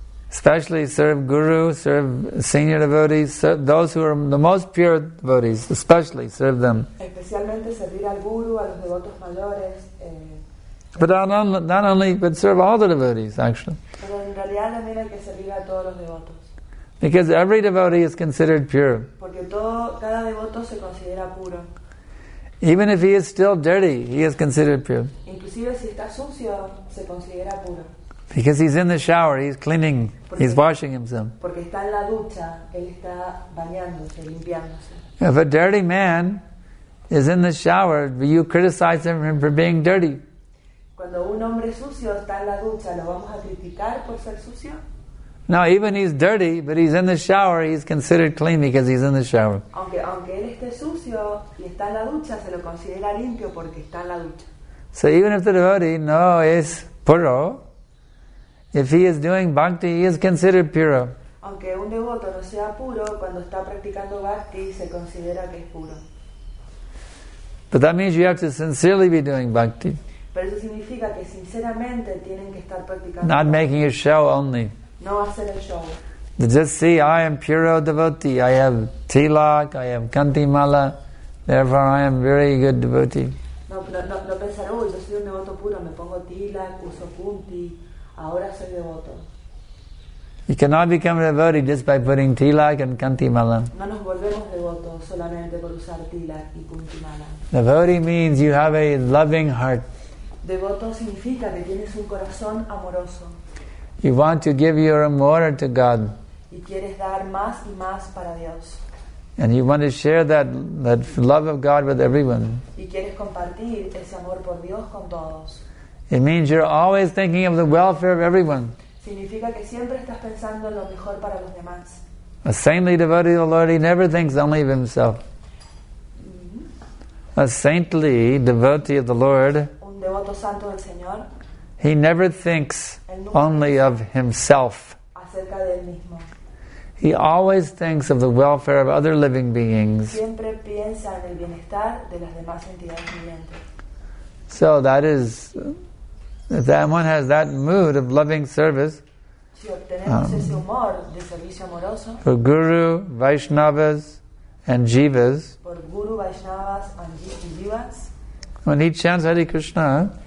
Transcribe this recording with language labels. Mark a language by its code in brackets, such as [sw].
[en] Especially serve Guru, serve senior devotees, serve those who are the most pure devotees, especially serve them. [es] Especialmente servir al Guru, a los devotos mayores. [en] But not only, but serve all the devotees, actually. [es] Pero en realidad también hay que servir a todos los devotos. [en] Because every devotee is considered pure. [es] Porque cada devoto se considera puro. [en] Even if he is still dirty, he is considered pure. [es] Inclusive si está sucio, se considera puro. [en] Because he's in the shower, he's cleaning, [es] porque, [en] he's washing himself. [es] Porque está en la ducha, él está bañándose, limpiándose. [en] If a dirty man is in the shower, you criticize him for being dirty. [es] Cuando un hombre sucio está en la ducha, ¿lo vamos a criticar por ser sucio? [en] No, even he's dirty, but he's in the shower, he's considered clean because he's in the shower. [es] Aunque él esté sucio y está en la ducha, se lo considera limpio porque está en la ducha. [en] So even if the devotee [es] no es puro, [en] if he is doing bhakti, he is considered puro. [es] Aunque un devoto no sea puro, cuando está practicando bhakti, se considera que es puro. [en] But that means you have to sincerely be doing bhakti. [es] Pero eso significa que sinceramente tienen que estar practicando. [en] Not making a show only. [es] No hacer el show. [en] To just see, I am puro devotee. I have tilak, I have kantimala. Therefore, I am very good devotee. [es] No pensar, oh, yo soy un devoto puro. Me pongo tilak, uso kunti. Ahora soy devoto. [en] You cannot become a devotee just by putting tilak and kantimala. [es] No nos volvemos devotos solamente por usar tilak y kantimala. [en] Devotee means you have a loving heart. [es] Devoto significa que tienes un corazón amoroso. [en] You want to give your amor to God. [es] Y quieres dar más y más para Dios. [en] And you want to share that love of God with everyone. [es] Y quieres compartir ese amor por Dios con todos. [en] It means you're always thinking of the welfare of everyone. [es] Significa que siempre estás pensando en lo mejor para los demás. [en] A saintly devotee of the Lord, he never thinks only of himself. Mm-hmm. A saintly devotee of the Lord, [es] un devoto santo del Señor, [en] he never thinks only of himself. [es] Acerca de él mismo. [en] He always thinks of the welfare of other living beings. [es] Siempre piensa en el bienestar de las demás entidades vivientes. [en] So that is, if that one has that mood of loving service, [es] si obtenemos ese humor de servicio amoroso, [en] for Guru, Vaishnavas, and Jivas, [es] por Guru, Vaishnavas, and Jivas, [en] when he chants Hare Krishna,